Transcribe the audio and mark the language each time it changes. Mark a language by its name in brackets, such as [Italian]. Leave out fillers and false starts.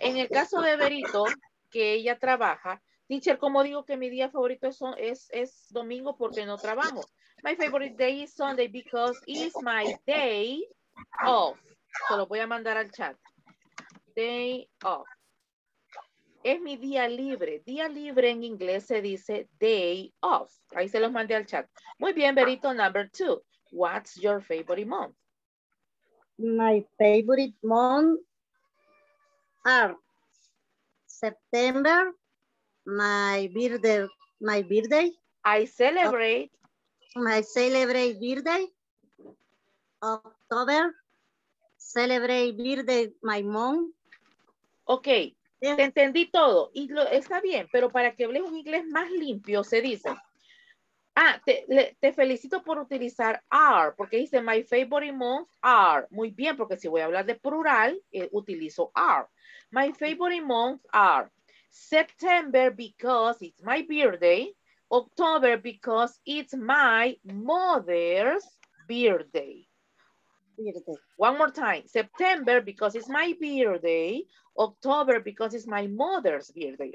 [Spanish] En el caso de Berito, que ella trabaja, teacher, ¿cómo digo que mi día favorito es domingo porque no trabajo? [English] My favorite day is Sunday because it's my day off. [Spanish] Se lo voy a mandar al chat. Day off. Es mi día libre. Día libre en inglés se dice day off. Ahí se los mandé al chat. Muy bien, Berito, [English] number two. What's your favorite month? My favorite month are September, my birthday. I celebrate. I celebrate birthday. October, celebrate birthday my mom. Okay, yeah. [Spanish] Te entendí todo. Y lo, está bien, pero para que hables un inglés más limpio, se dice. Ah, te felicito por utilizar are, porque dice [English] my favorite month are. [Spanish] Muy bien, porque si voy a hablar de plural, utilizo are. [English] My favorite month are September because it's my birthday, October because it's my mother's birthday. One more time. September because it's my birthday, October because it's my mother's birthday.